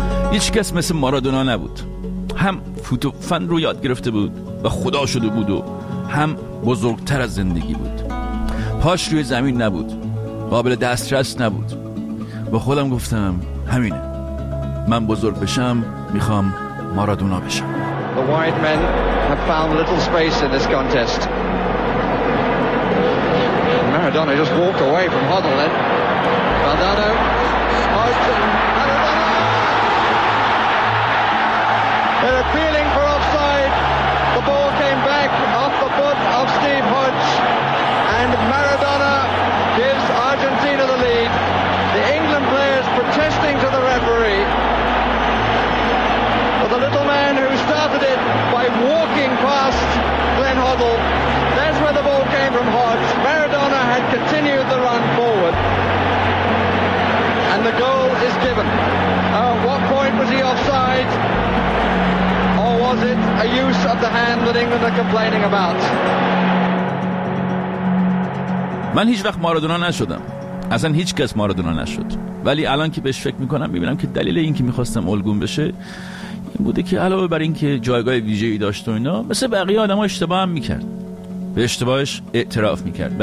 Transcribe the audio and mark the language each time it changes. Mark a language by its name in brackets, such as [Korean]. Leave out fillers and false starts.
[Persian] هیچ کس مثل مارادونا نبود. هم فوتوفن رو یاد گرفته بود و خدا شده بود و هم بزرگتر از زندگی بود. پاش روی زمین نبود، قابل دسترس نبود. با خودم گفتم همینه، من بزرگ بشم میخوام مارادونا بشم. [English] The white men have found little space in this contest. Maradona just walked away from Hoddle then. Maradona, Houston, Maradona! An appealing for offside. The ball came back off the foot of Steve Hodge. And Maradona gives Argentina the lead. The England players protesting to the referee. But the little man who started it by walking past Glenn Hoddle, that's where the ball came from Hodge. Maradona had continued the run forward. And the goal is given. At what point was he offside? Or was it a use of the hand that England are complaining about? [Persian] من هیچ وقت مارادونا نشدم. اصلا هیچ کس مارادونا نشد. ولی الان که بهش فکر میکنم میبینم که دلیل این که میخواستم الگون بشه این بوده که علاوه بر این که جایگاه ویژه‌ای داشت و اینا، مثل بقیه آدم‌ها اشتباه هم میکرد، به اشتباهش اعتراف میکرد.